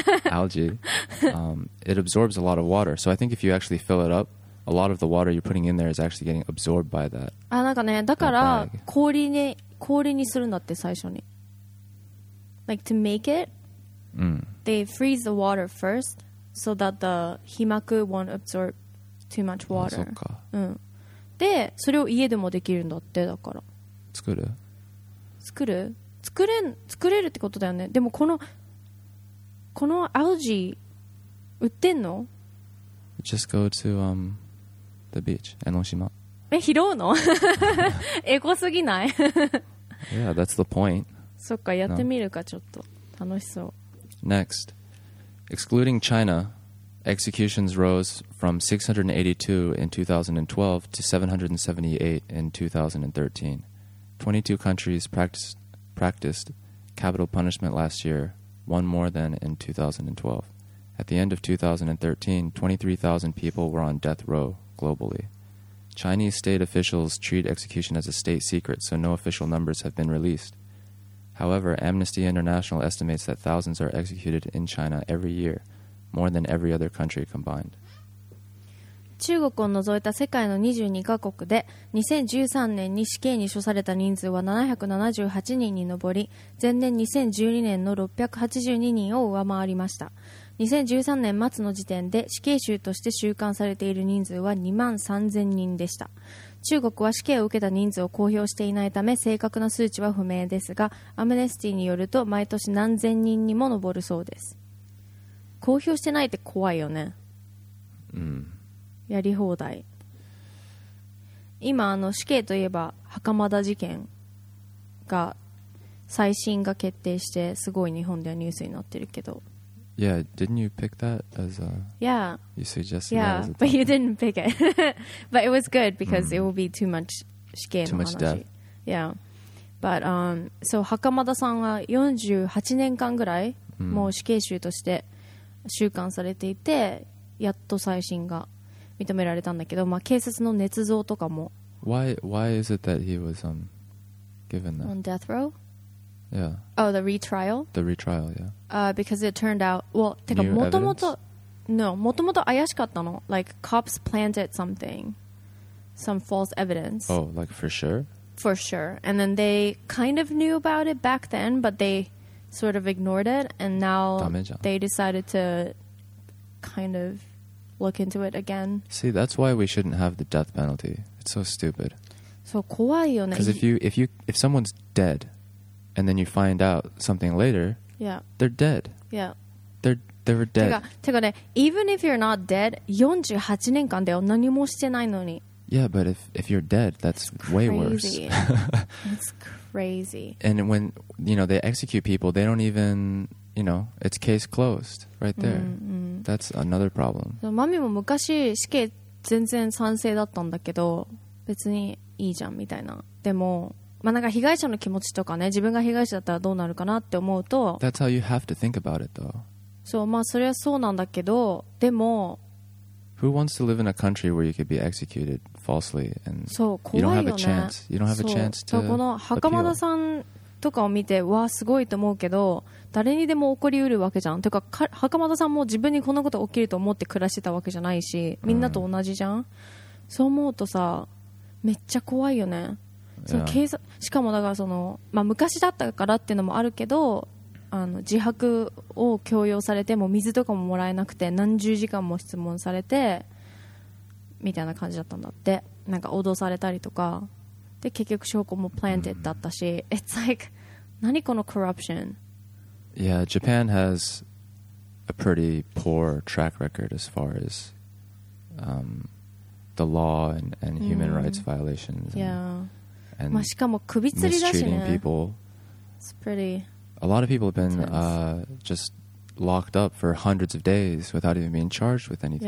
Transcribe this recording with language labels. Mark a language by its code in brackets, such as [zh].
[en] algae it absorbs a lot of water, so I think if you actually fill it up, a lot of the water you're putting in there is actually getting absorbed by that. [ja] あ、なんかね、だから氷にするんだって最初に、 [en] like to make it they freeze the water first so that the 被膜 won't absorb too much water. [ja] そっか。で、それを家でもできるんだって、だから。作る？作る？作れん、作れるってことだよね。でもこの、このアルジー、売ってんの？ [en] Just go to, the beach, 江ノ島。 [ja] え、拾うの？エコすぎない [en] Yeah, that's the point. [ja] そっか、やってみるか、ちょっと。楽しそう。 [en] Next. Excluding China, executions rose from 682 in 2012 to 778 in 2013. 22 countries practiced capital punishment last year, one more than in 2012. At the end of 2013, 23,000 people were on death row globally. Chinese state officials treat execution as a state secret, so no official numbers have been released. However, Amnesty International estimates that thousands are executed in China every year, more than every other country combined. [ja] 中国を除いた世界の22カ国で2013年に死刑に処された人数は778人に上り、前年2012年の682人を上回りました。 2013年末の時点で死刑囚として収監されている人数は2万3000人でした。中国は死刑を受けた人数を公表していないため正確な数値は不明ですが、アムネスティによると毎年何千人にも上るそうです。公表してないって怖いよね。うん、やり放題。今あの死刑といえば袴田事件が、再審が決定してすごい日本ではニュースになってるけど。 [en] Yeah, didn't you pick that as a... Yeah. You suggested yeah, that as a topic. Yeah, but you didn't pick it. But it was good because it will be too much [ja] 死刑の話。 [en] Too much death. Yeah. But, so [ja] 袴田さんは48年間ぐらい、もう死刑囚として収監されていて、やっと再審が認められたんだけど、まあ警察の捏造とかも。 [en] Why is it that he was, given that? On death row? Yeah. Oh, the retrial? The retrial, yeah. Because it turned out... Well, [ja] てか元々 [en] No, [ja] 元々怪しかったの。 [en] Like, cops planted something. Some false evidence. Oh, like for sure? For sure. And then they kind of knew about it back then, but they sort of ignored it. And now they decided to kind of look into it again. See, that's why we shouldn't have the death penalty. It's so stupid. [ja] そう、怖いよね。 [en] Because if someone's dead... And then you find out something later. Yeah. They're dead. Yeah. They're dead. [ja] てかね、 [en] even if you're not dead, [ja] 48年間で何もしてないのに。 [en] Yeah, but if you're dead, that's way worse. It's crazy. And when, you know, they execute people, they don't even, you know, it's case closed right there. Mm-hmm. That's another problem. [ja] マミも昔死刑全然賛成だったんだけど、別にいいじゃんみたいな。でも、まあ、なんか被害者の気持ちとかね、自分が被害者だったらどうなるかなって思うと、 [en] That's how you have to think about it though. [ja] そう、まあそれはそうなんだけど、でも [en] Who wants to live in a country where you could be executed falsely and [ja] そう、怖いよね。 [en] You don't have a chance. You don't have a chance to appeal. [ja] この袴田さんとかを見てわーすごいと思うけど、誰にでも起こりうるわけじゃん。てか袴田さんも自分にこんなこと起きると思って暮らしてたわけじゃないし、みんなと同じじゃん。そう思うとさ、めっちゃ怖いよね。その警察、しかもだからその、まあ、昔だったからっていうのもあるけど、あの自白を強要されても水とかももらえなくて、何十時間も質問されてみたいな感じだったんだって。なんか脅されたりとかで、結局証拠もプランテッドだったし、うん、 [en] It's like [ja] 何このコラプション。 [en] Yeah, Japan has a pretty poor track record as far as、the law and human rights violations、 yeah. [ja] まあ、しかも首吊りだしね。 [en] It's pretty. A lot of people have been、just locked up for hundreds of days without even being charged with anything.